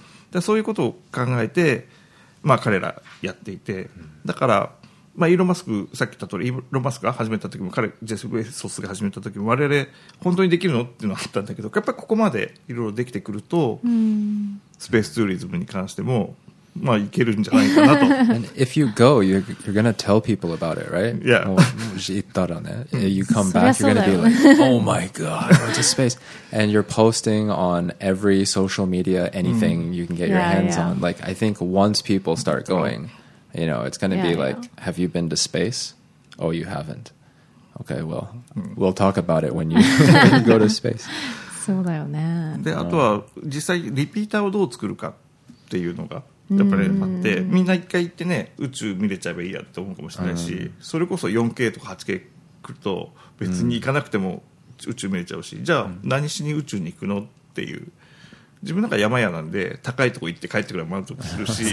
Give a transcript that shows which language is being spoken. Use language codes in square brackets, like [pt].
[ja] だそういうことを考えて、まあ、彼らやっていて、だから、まあ、イーロン・マスク、さっき言った通りイーロン・マスクが始めた時も、彼ジェフ・ベソスが始めた時も、我々本当にできるのっていうのがあったんだけど、やっぱりここまでいろいろできてくると、スペースツーリズムに関してもまあ、いけるんじゃないかなと。 [en] And if you go, you're gonna tell people about it, right? Yeah. [ja] もし行ったらね、 [en] you come back, you're gonna be like, oh my god, I went to space. And you're posting on every social media, anything you can get your hands on. Like, I think once people start going, you know, it's gonna be like, have you been to space? Oh, you haven't. Okay, well, we'll talk about it when you go to space. [ja] そうだよね。で、あとは実際リピーターをどう作るかっていうのが、やっぱりあって、みんな一回行ってね、宇宙見れちゃえばいいやって思うかもしれないし、それこそ 4K とか 8K 来ると別に行かなくても宇宙見れちゃうし、じゃあ何しに宇宙に行くのっていう、自分なんか山屋なんで高いとこ行って帰ってくれば満足するし、